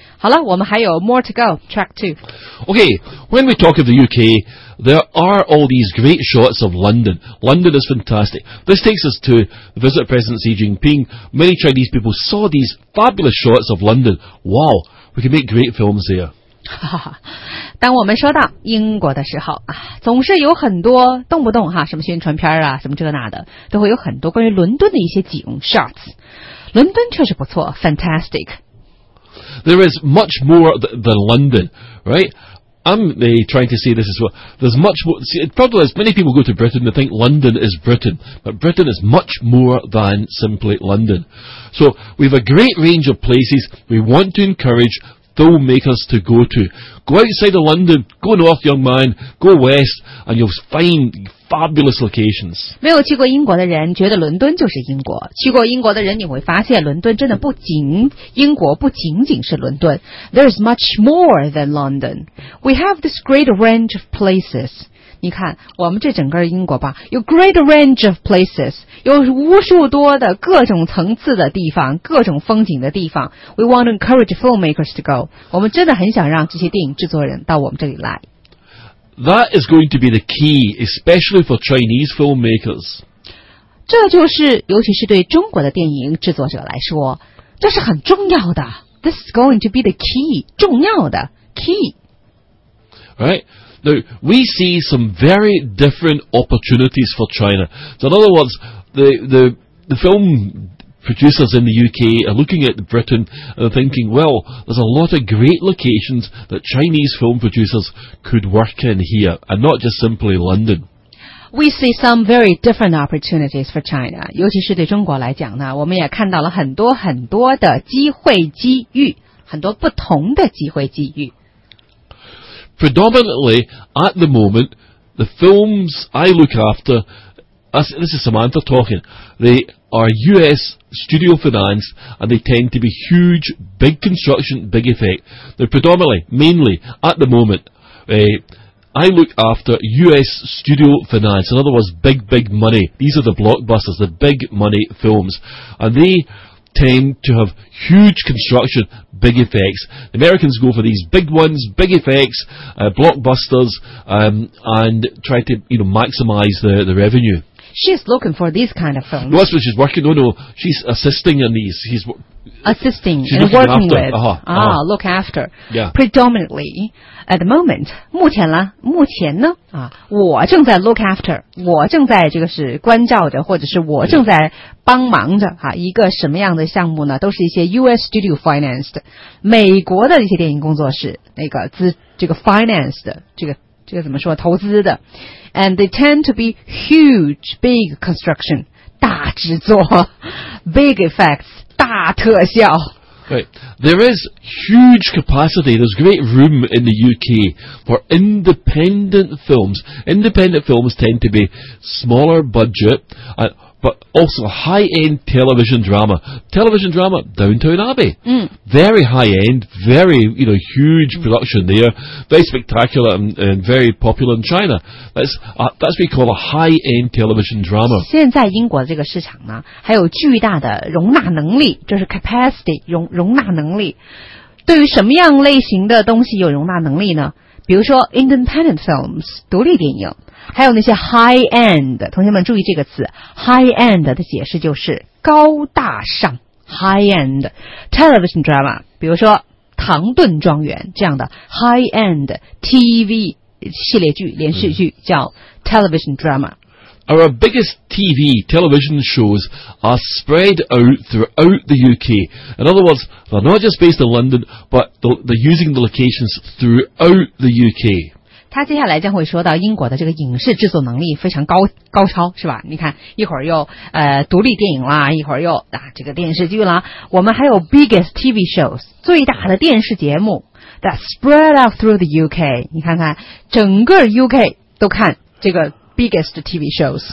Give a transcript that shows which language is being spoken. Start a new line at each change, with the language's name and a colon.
Chinese: 好了，我们还有
English: more to go, track two. Okay, when we talk of the UK, there are all these great shots of London. London is fantastic. This takes us to the visit of President Xi Jinping. Many Chinese people saw these fabulous shots of London. Wow, we can make great films there.
Chinese: 当我们说到英国的时候，总是有很多动不动什么宣传片啊，什么这那的，都会有很多关于伦敦的一些景 shots。伦敦确实不错 ，fantastic。
English: There is much more than London, right? I'm trying to say this as well. There's much more. See, probably as many people go to Britain, they think London is Britain. But Britain is much more than simply London. So we have a great range of places we want to encourage filmmakers to go to. Go outside of London, go north, young man, go west, and you'll find fabulous locations.
Chinese: 没有去过英国的人觉得伦敦就是英国。去过英国的人你会发现伦敦真的不仅英国不仅仅是伦敦。
English: There is much more than London. We have this great range of places.
Chinese: 你看我们这整个英国吧，有
English: great range of places，
Chinese: 有无数多的各种层次的地方，各种风景的地方。
English: We want to encourage filmmakers to go，
Chinese: 我们真的很想让这些电影制作人到我们这里来。
English: That is going to be the key， especially for Chinese filmmakers。
Chinese: 这就是尤其是对中国的电影制作者来说，这是很重要的。
English: This is going to be the key，
Chinese: 重要的
English: key。 Right。 Now, we see some very different opportunities for China. So in other words, the film producers in the UK are looking at Britain and thinking, well, there's a lot of great locations that Chinese film producers could work in here, and not just simply London. We see some very different opportunities for China.
Chinese: 尤其是对中国来讲呢，我们也看到了很多很多的机会机遇，很多不同的机会机遇。
English: Predominantly, at the moment, the films I look after, this is Samantha talking, they are US studio financed and they tend to be huge, big construction, big effect. They're predominantly, mainly, at the moment, I look after US studio finance. In other words, big, big money. These are the blockbusters, the big money films. And they... tend to have huge construction, big effects. The Americans go for these big ones, big effects, blockbusters, and try to, you know, maximize the revenue. She's looking for these kind of films. No, that's what she's working. No, she's assisting in these. She's assisting and working after, with. Look after. Yeah. Predominantly, at the moment,
Chinese: 目前呢,我正在 look after, 我正在这个是关照着或者是我正在帮忙着、yeah. 一个什么样的项目呢都是一些
English: US studio financed,
Chinese: 美国的一些电影工作室那个资这个 financed, 这个怎么说投资的。
English: And they tend to be huge, big construction,
Chinese: 大制作
English: big effects,
Chinese: 大特效
English: Right. There is huge capacity, there's great room in the UK for independent films. Independent films tend to be smaller budget, but also high-end television drama. Television drama, Downton Abbey.、 Mm. Very high-end, very, you know, huge production there. Very spectacular and very popular in China. That's what we call a high-end television drama.
Chinese: 现在英国这个市场呢，还有巨大的容纳能力，就是 capacity, 容纳能力。对于什么样类型的东西有容纳能力呢？比如说 independent films, 独立电影。还有那些 high end, 同学们注意这个词 ,high end 的解释就是高大上 ,high end, television drama, 比如说唐顿庄园这样的 high end TV 系列剧连续剧叫 television drama。
English: Our biggest TV, television shows are spread out throughout the UK. In other words, they're not just based in London, but they're using the locations throughout the UK.
Chinese: 他接下来将会说到英国的这个影视制作能力非常高超，是吧？你看，一会儿又独立电影啦，一会儿又这个电视剧啦。我们还有
English: biggest TV shows
Chinese: 最大的电视节目
English: that spread out through the UK。
Chinese: 你看看，整个 UK 都看这个 biggest TV shows。